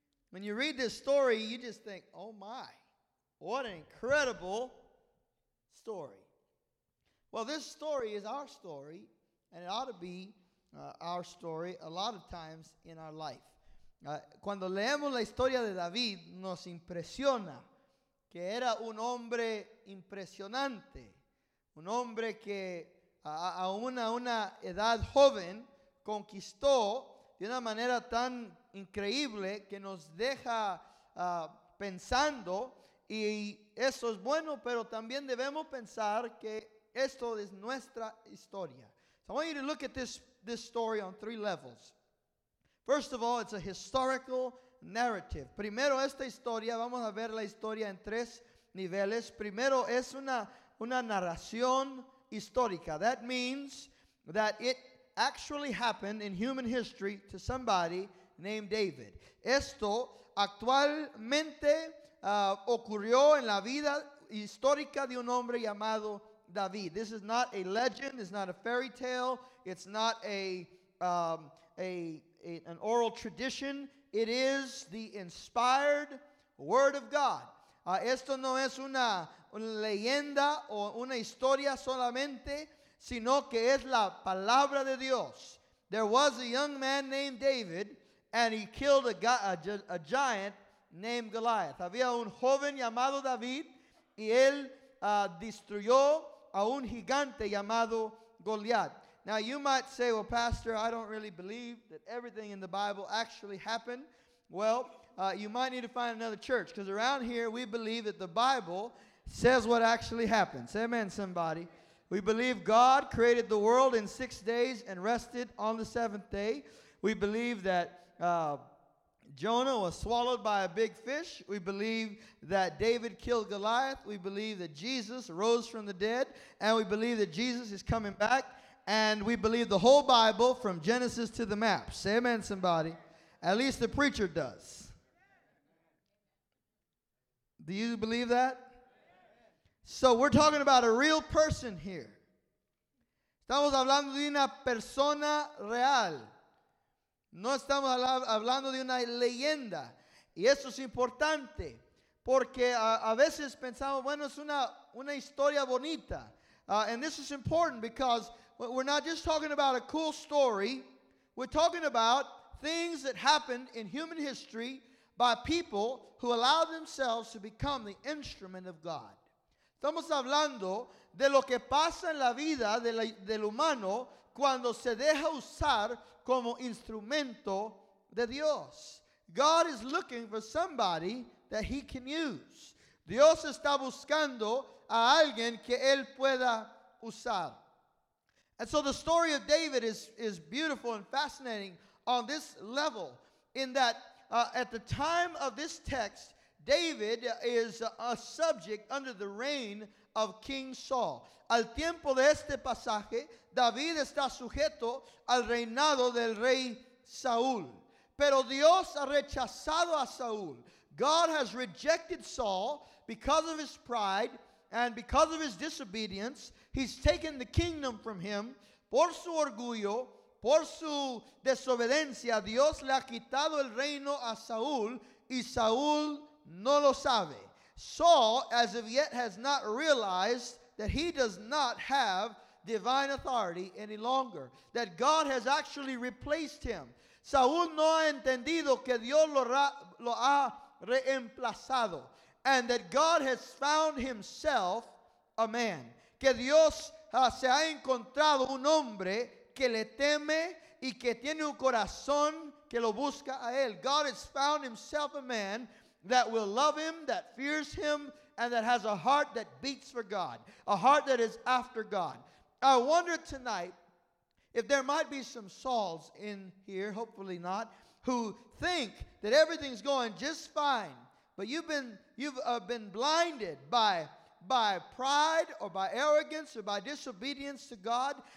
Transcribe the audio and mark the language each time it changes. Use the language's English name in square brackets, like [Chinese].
[English] When you read this story, you just think, oh my, what an incredible story. Well, this story is our story, and it ought to be our story a lot of times in our life. [Spanish] Cuando leemos la historia de David, nos impresiona que era un hombre impresionante, un hombre que a una edad joven conquistó de una manera tan increíble que nos deja pensando, y eso es bueno, pero también debemos pensar que esto es nuestra historia. [English] So I want you to look at this story on three levels. First of all, it's a historical narrative. [Spanish] Primero, esta historia, vamos a ver la historia en tres niveles. Primero, es una narración histórica. [English] That means that it actually happened in human history to somebody named David. [Spanish] Esto actualmente ocurrió en la vida histórica de un hombre llamado David. [English] This is not a legend. It's not a fairy tale. It's not an oral tradition. It is the inspired word of God. [Spanish] Esto no es una leyenda o una historia solamente, sino que es la palabra de Dios. [English] There was a young man named David, and he killed a giant named Goliath. [Spanish] Había un joven llamado David, y él destruyó a un gigante llamado Goliath. [English] Now you might say, well, Pastor, I don't really believe that everything in the Bible actually happened. Well, you might need to find another church, because around here we believe that the Bible says what actually happened. Say amen, somebody. We believe God created the world in 6 days and rested on the seventh day. We believe that Jonah was swallowed by a big fish. We believe that David killed Goliath. We believe that Jesus rose from the dead. And we believe that Jesus is coming back. And we believe the whole Bible from Genesis to the map. Say amen, somebody. At least the preacher does. Do you believe that? So we're talking about a real person here. [Spanish] Estamos hablando de una persona real. No estamos hablando de una leyenda. Y eso es importante. Porque a veces pensamos, bueno, es una historia bonita. [English] And this is important because we're not just talking about a cool story. We're talking about things that happened in human history by people who allowed themselves to become the instrument of God. [Spanish] Estamos hablando de lo que pasa en la vida del humano cuando se deja usar como instrumento de Dios. [English] God is looking for somebody that he can use. [Spanish] Dios está buscando a alguien que él pueda usar. [English] And so the story of David is beautiful and fascinating on this level, in that at the time of this text, David is a subject under the reign of King Saul. [Spanish] Al tiempo de este pasaje, David está sujeto al reinado del rey Saúl. Pero Dios ha rechazado a Saúl. [English] God has rejected Saul because of his pride and because of his disobedience. He's taken the kingdom from him. [Spanish] Por su orgullo, por su desobediencia, Dios le ha quitado el reino a Saúl, y Saúl no lo sabe. [English] Saul, as of yet, has not realized that he does not have divine authority any longer, that God has actually replaced him. [Spanish] Saúl no ha entendido que Dios lo ha reemplazado, [English] and that God has found himself a man. [Spanish] Que Dios se ha encontrado un hombre que le teme y que tiene un corazón que lo busca a él. [English] God has found himself a man that will love him, that fears him, and that has a heart that beats for God, a heart that is after God. I wonder tonight if there might be some Sauls in here, hopefully not, who think that everything's going just fine, but you've been blinded by pride or by arrogance or by disobedience to God.